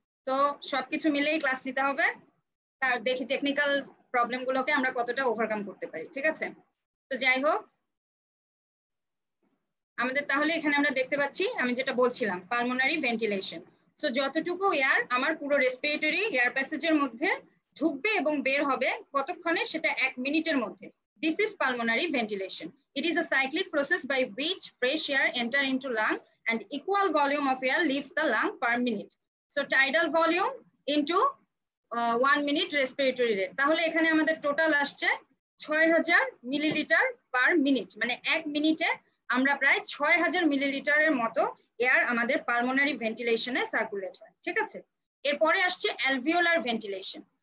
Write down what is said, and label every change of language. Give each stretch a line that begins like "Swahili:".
Bangla: তো সবকিছু মিলেই ক্লাস নিতে হবে, আর দেখি টেকনিক্যাল প্রবলেমগুলোকে আমরা কতটা ওভারকাম করতে পারি, ঠিক আছে? তো যাই হোক, আমাদের তাহলে এখানে আমরা দেখতে পাচ্ছি, আমি যেটা বলছিলাম, পালমোনারি ভেন্টিলেশন। সো যতটুকু এয়ার আমার পুরো রেসপিরেটরি এয়ার প্যাসেজের মধ্যে ঢুকবে এবং বের হবে কতক্ষণে, সেটা এক মিনিটের মধ্যে।
English: This is pulmonary ventilation. It is a cyclic process by which fresh air enters into lung and equal volume of air leaves the lung per minute. So tidal volume into 1 minute respiratory rate.
Bangla: তাহলে এখানে আমাদের total আসছে 6000 milliliter per minute. মানে এক মিনিটে আমরা প্রায় 6000 milliliter মতো air আমাদের pulmonary ventilation এ circulate হয়, ঠিক আছে? এরপরে আসছে alveolar ventilation.